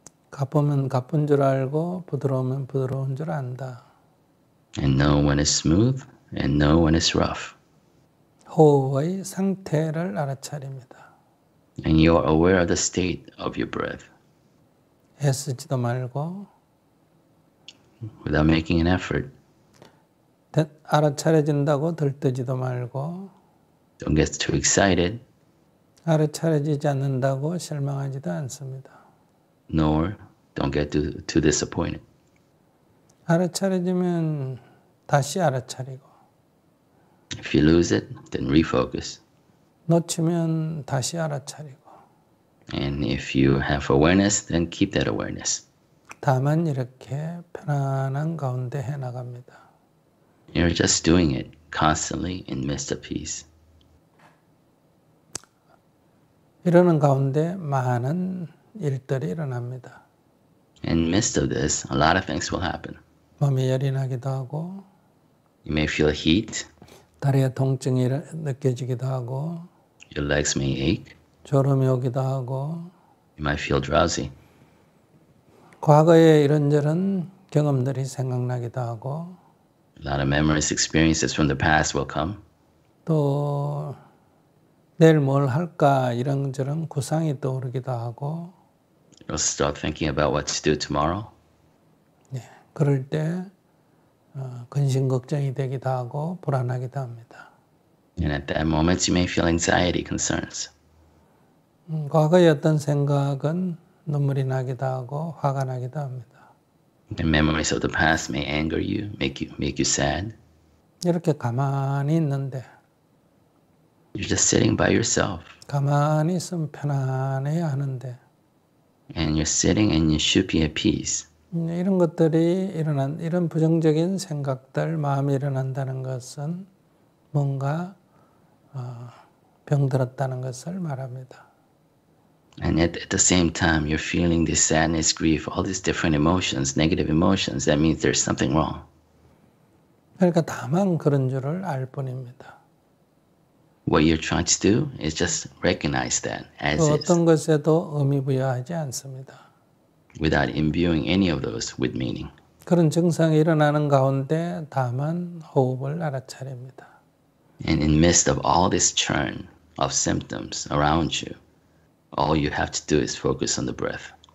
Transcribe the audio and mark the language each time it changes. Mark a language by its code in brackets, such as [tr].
[ko] 가쁘면 가쁜 줄 알고 부드러우면 부드러운 줄 안다. [en] And know when it's smooth and know when it's rough. [ko] 호흡의 상태를 알아차립니다. [en] And you are aware of the state of your breath. [ko] 애쓰지도 말고 [en] without making an effort. [ko] 알아차려진다고 들뜨지도 말고 [en] Don't get too excited. [ko] 알아차려지지 않는다고 실망하지도 않습니다. [en] Nor don't get too disappointed. [ko] 알아차려지면 다시 알아차리고 [en] If you lose it, then refocus. [ko] 놓치면 다시 알아차리고 [en] And if you have awareness, then keep that awareness. [ko] 다만 이렇게 편안한 가운데 해나갑니다. [en] You're just doing it constantly in midst of peace. [ko] 이러는 가운데 많은 일들이 일어납니다. [en] In the midst of this, a lot of things will happen. [ko] 몸이 열이 나기도 하고, [en] You may feel heat. [ko] 다리에 통증이 느껴지기도 하고, [en] Your legs may ache. [ko] 졸음이 오기도 하고, [en] You might feel drowsy. [ko] 과거에 이런저런 경험들이 생각나기도 하고, [en] A lot of memories, experiences from the past will come. [ko] 또 내일 뭘 할까 이런저런 구상이 떠오르기도 하고, [en] You'll start thinking about what to do tomorrow. [ko] 네, 그럴 때 근심 걱정이 되기도 하고 불안하기도 합니다. [en] And at that moment, you may feel anxiety, concerns. [ko] 과거의 어떤 생각은 눈물이 나기도 하고 화가 나기도 합니다. [en] The memories of the past may anger you, make you sad. [ko] 이렇게 가만히 있는데, [en] You're just sitting by yourself. [ko] 가만히 있으면 편안해야 하는데, [en] And you're sitting and you should be at peace. [ko] 이런 것들이 일어난, 이런 부정적인 생각들, 마음이 일어난다는 것은 뭔가 병들었다는 것을 말합니다. [en] And yet at the same time, you're feeling this sadness, grief, all these different emotions, negative emotions. That means there's something wrong. [ko] 그러니까 다만 그런 줄을 알 뿐입니다. [en] What you're trying to do is just recognize that as is. [ko] 어떤 것에도 의미 부여하지 않습니다. [en] Without imbuing any of those with meaning. [ko] 그런 증상이 일어나는 가운데 다만 호흡을 알아차립니다. [en] And in the midst of all this churn of symptoms around you, all you have to do is focus on the breath.